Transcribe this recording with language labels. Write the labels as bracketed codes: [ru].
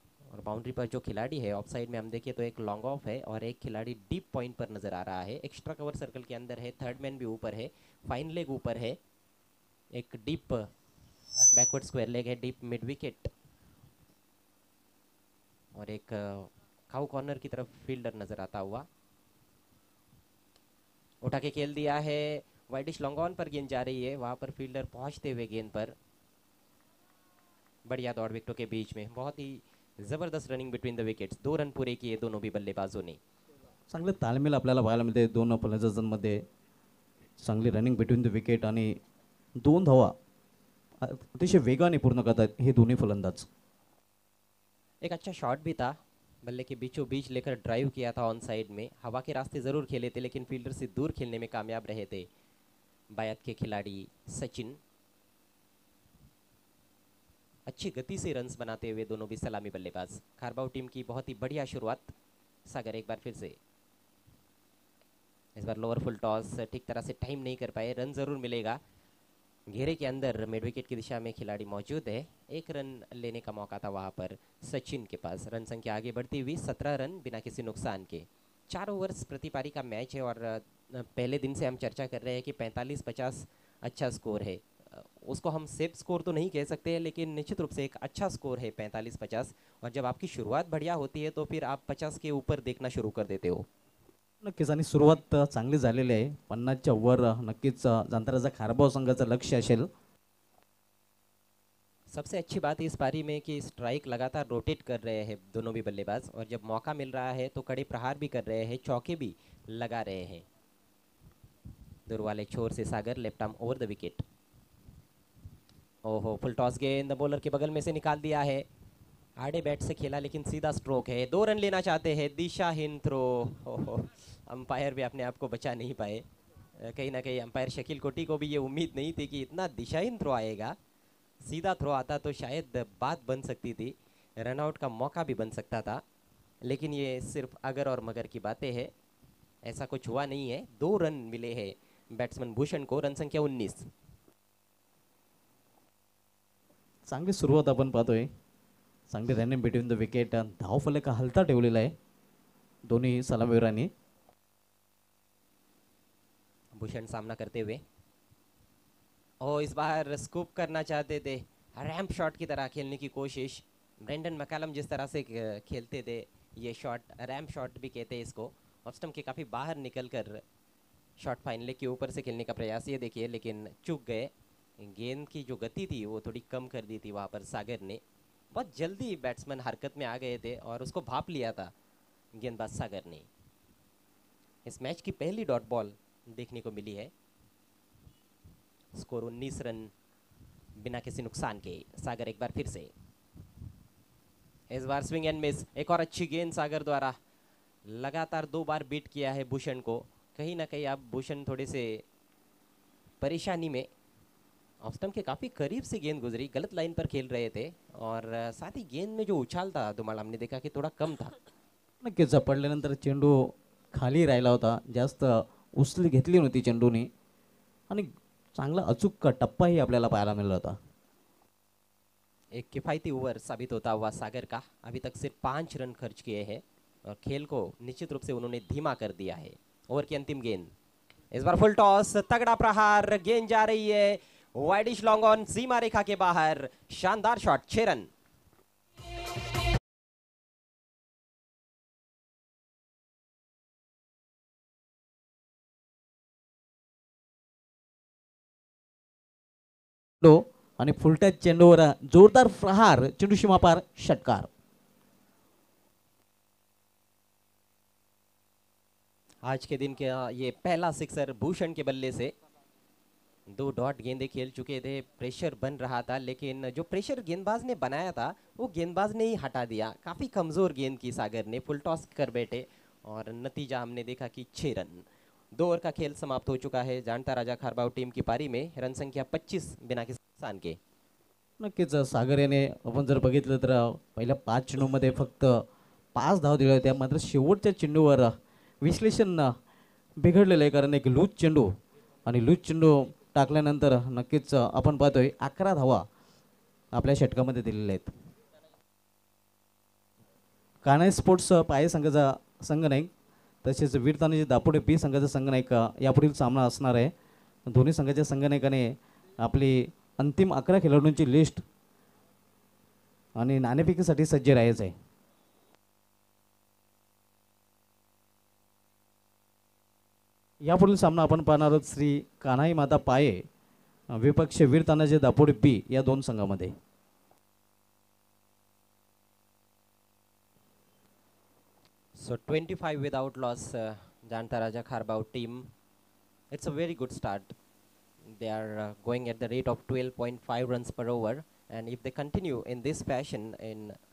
[hi] और बाउंड्री पर जो खिलाड़ी है ऑफ साइड में हम देखें तो एक लॉन्ग ऑफ है और एक खिलाड़ी डीप पॉइंट पर नजर आ रहा है, एक्स्ट्रा कवर सर्कल के अंदर है, थर्ड मैन भी ऊपर है, फाइन लेग ऊपर है, एक डीप बैकवर्ड स्क्वायर लेग है, डीप मिड विकेट और एक काउ कॉर्नर की तरफ फील्डर नजर आता हुआ। उठा के खेल दिया है वाइडिश, लॉन्ग ऑन पर गेंद जा रही है, वहां पर फील्डर पहुंचते हुए गेंद पर, बढ़िया दौड़ विकेटों के बीच में, बहुत ही जबरदस्त running between the wickets. 2 run पूरे किए दोनों भी बल्लेबाजों ने, [mr] चांगले तालमेल आपल्याला पाहायला मिळते दोनों फलंदाजां मध्ये, चांगली रनिंग बिटवीन द विकेट आणि 2 धावा अतिशय वेगाने पूर्ण करतात हे दोन्ही फलंदाज। [hi] एक अच्छा शॉट भी था, बल्ले के बीचों बीच लेकर ड्राइव किया था ऑन साइड में। हवा के रास्ते ज़रूर खेले थे लेकिन फील्डर से दूर खेलने में कामयाब रहे थे भारत के खिलाड़ी सचिन। अच्छी गति से रन्स बनाते हुए दोनों भी सलामी बल्लेबाज। खारबाव टीम की बहुत ही बढ़िया शुरुआत। सागर एक बार फिर से इस बार लोअर फुल टॉस ठीक तरह से टाइम नहीं कर पाए। रन ज़रूर मिलेगा, घेरे के अंदर मिड विकेट की दिशा में खिलाड़ी मौजूद है। एक रन लेने का मौका था वहां पर सचिन के पास। रन संख्या आगे बढ़ती हुई 17 रन बिना किसी नुकसान के। 4 ओवर्स प्रति पारी का मैच है और पहले दिन से हम चर्चा कर रहे हैं कि 45-50 अच्छा स्कोर है। उसको हम सेफ स्कोर तो नहीं कह सकते हैं लेकिन निश्चित रूप से एक अच्छा स्कोर है 45-50। और जब आपकी शुरुआत बढ़िया होती है तो फिर आप 50 के ऊपर देखना शुरू कर देते हो। [mr] नक्कीच सुरुवात चांगली झालेली आहे। 50 च्या वर नक्कीच जंतराचा खारबाव संघाचं लक्ष असेल। [hi] सबसे अच्छी बात इस पारी में कि स्ट्राइक लगातार रोटेट कर रहे हैं दोनों भी बल्लेबाज, और जब मौका मिल रहा है तो कड़े प्रहार भी कर रहे हैं, चौके भी लगा रहे हैं। दूर वाले छोर से सागर left arm over the wicket. ओहो फुल टॉस गेंद बॉलर के बगल में से निकाल दिया है। आड़े बैट से खेला लेकिन सीधा स्ट्रोक है। 2 रन लेना चाहते हैं, दिशाहीन थ्रो। ओहो अंपायर भी अपने आप को बचा नहीं पाए। कहीं ना कहीं अंपायर शकील कोटी को भी ये उम्मीद नहीं थी कि इतना दिशाहीन थ्रो आएगा। सीधा थ्रो आता तो शायद बात बन सकती थी, रनआउट का मौका भी बन सकता था, लेकिन ये सिर्फ अगर और मगर की बातें हैं, ऐसा कुछ हुआ नहीं है। 2 रन मिले हैं बैट्समैन भूषण को। रन संख्या 19। [mr] चांगली सुरुवात आपण पाहतोय। चांगली त्याने बिटवीन द विकेट धाव फलक हलता ठेवलेला आहे दोन्ही सलामीवीरांनी। [hi] भूषण सामना करते हुए, ओ इस बार स्कूप करना चाहते थे, रैंप शॉट की तरह खेलने की कोशिश। ब्रेंडन मैकालम जिस तरह से खेलते थे ये शॉट, रैंप शॉट भी कहते हैं इसको, ऑफ स्टंप के काफ़ी बाहर निकल कर शॉट फाइनल के ऊपर से खेलने का प्रयास, ये देखिए लेकिन चूक गए। गेंद की जो गति थी वो थोड़ी कम कर दी थी वहाँ पर सागर ने। बहुत जल्दी बैट्समैन हरकत में आ गए थे और उसको भाप लिया था गेंदबाज सागर ने। इस मैच की पहली डॉट बॉल देखने को मिली है। स्कोर 19 रन बिना किसी नुकसान के। सागर एक बार फिर से, इस बार स्विंग एंड मिस। एक और अच्छी गेंद सागर द्वारा, लगातार 2 बार बीट किया है भूषण को। कहीं ना कहीं अब भूषण थोड़े से परेशानी में। ऑफ स्टंप के काफ़ी करीब से गेंद गुजरी, गलत लाइन पर खेल रहे थे और साथ ही गेंद में जो उछाल था धुमाल हमने देखा कि थोड़ा कम था। [mr] झपड़ल्यानंतर चेंडू खाली राहिला होता, जास्त उचल घेतली नव्हती चेंडूने आणि चांगला अचूक टप्पाही आपल्याला पाहायला मिळला होता। [hi] एक किफायती ओवर साबित होता हुआ सागर का। अभी तक सिर्फ 5 रन खर्च किए हैं और खेल को निश्चित रूप से उन्होंने धीमा कर दिया है। ओवर की अंतिम गेंद, इस बार फुल टॉस, तगड़ा प्रहार, गेंद जा रही है वाइडिश लॉन्ग ऑन, सीमा रेखा के बाहर, शानदार शॉट, 6 रन। [mr] आणि फुलट्या चेंडूवर जोरदार प्रहार, चेंडू सीमापार, षटकार। [hi] आज के दिन का ये पहला सिक्सर भूषण के बल्ले से। 2 डॉट गेंदे खेल चुके थे, प्रेशर बन रहा था लेकिन जो प्रेशर गेंदबाज ने बनाया था वो गेंदबाज ने ही हटा दिया। काफी कमजोर गेंद की सागर ने, फुल टॉस कर बैठे और नतीजा हमने देखा कि 6 रन। 2 ओवर का खेल समाप्त हो चुका है जानता राजा खारबाव टीम की पारी में। रन संख्या 25 बिना किसी नुकसान के। [mr] नक्कीच सागर याने आपण जर बघितलं तर पहिल्या 5 चेंडूमध्ये फक्त 5 धाव दिले होते, मात्र शेवटच्या चेंडूवर विश्लेषण बिघडलेलं आहे कारण एक लूज चेंडू, आणि लूज चेंडू टाकल्यानंतर नक्कीच आपण पाहतोय 11 धावा आपल्या षटकामध्ये दिलेल्या आहेत। काने स्पोर्ट्स पाय संघाचा संघ नाही, तसेच वीर तानाजी जे दापोडे बी संघाचा संघ नाही का यापुढील सामना असणार आहे। दोन्ही संघाच्या संघ नाईकाने आपली अंतिम 11 खेळाडूंची लिस्ट आणि नाणेफेकीसाठी सज्ज राहायचं आहे। यापुढील सामना आपण पाहणार आहोत श्री कान्हाई माता पाये विपक्ष वीर तानाजी दापोडे बी या दोन संघामध्ये। [en] So 25 without loss Janata Raja Kharbav team. It's a very good start, they are going at the rate of 12.5 runs per over, and if they continue in this fashion in